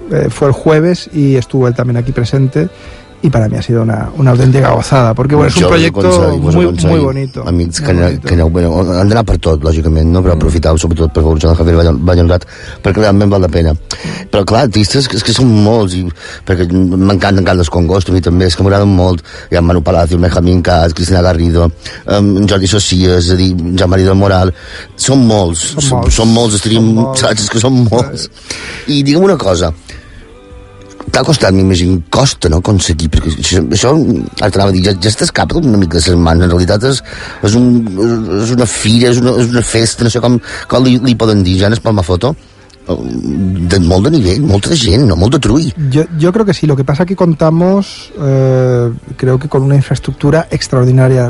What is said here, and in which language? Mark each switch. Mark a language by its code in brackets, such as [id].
[es] Fue el jueves y estuvo él también aquí presente, y para mí ha sido una auténtica gozada, porque bueno, es un proyecto muy bonito. [ca] Amics, han d'anar per tot, lògicament, no? Però aprofitar sobretot per favor, Joan Javier Vallenrat, perquè realment val la pena. Però clar, artistes és que són molts, perquè m'encanten Carles Congost, a mi també, és que m'agraden molt. Hi ha Manu Palacio, Benjamín Cas, Cristina Garrido, Jordi Socias, és a dir, Jean-Marie del Moral, són molts, són molts, estaríem, saps? És que són molts. I digue'm una cosa, t'ha costat, m'imagino, costa, no?, aconseguir, perquè això, altra vegada, ja t'escapa una mica de ses mans, en realitat és una fira, és una festa, no sé com li poden dir, ja en Espalma Foto, de molt de nivell, molta gent, no?, molt de trull. [es] Jo creo que sí, lo que pasa que contamos, creo que con una infraestructura extraordinaria.